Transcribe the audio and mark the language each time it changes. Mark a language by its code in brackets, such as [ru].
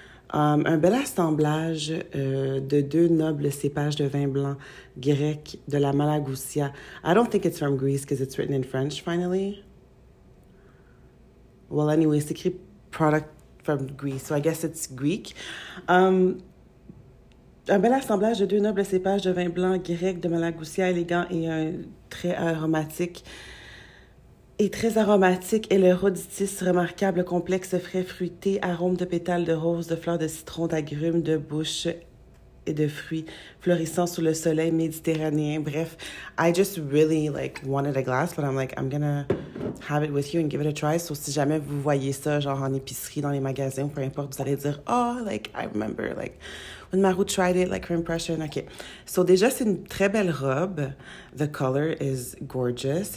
[fr] Un bel assemblage de deux nobles cépages de vin blanc grec de la Malagousia. [en] I don't think it's from Greece because it's written in French, finally. Well, anyway, it's écrit product from Greece, so I guess it's Greek. [fr] Un bel assemblage de deux nobles cépages de vin blanc grec de Malagousia élégant et très aromatique est le Rhoditis, remarquable, complexe, frais, fruité, arôme de pétales de rose, de fleurs, de citron, d'agrumes, de bouche et de fruits, florissant sous le soleil méditerranéen. Bref, [en] I just really wanted a glass, but I'm like, I'm gonna have it with you and give it a try. [fr] So si jamais vous voyez ça, genre en épicerie, dans les magasins, ou peu importe, vous allez dire, oh, [en] I remember, when Maru tried it, her impression. [fr] Okay. So déjà, c'est une très belle robe. [en] The color is gorgeous.